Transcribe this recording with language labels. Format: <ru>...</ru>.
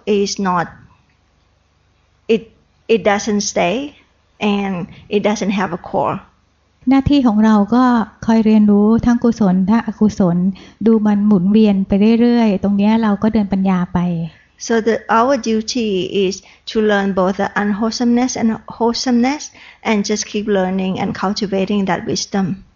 <en>It's not, it doesn't stay and it doesn't have a core.</en> <th>หน้าที่ของเราก็คอยเรียนรู้ทั้งกุศลและอกุศลดูมันหมุนเวียนไปเรื่อยๆตรงนี้เราก็เดินปัญญาไป</th> <en>so the our duty is to learn both the unwholesomeness and wholesomeness and just keep learning and cultivating that wisdom</en>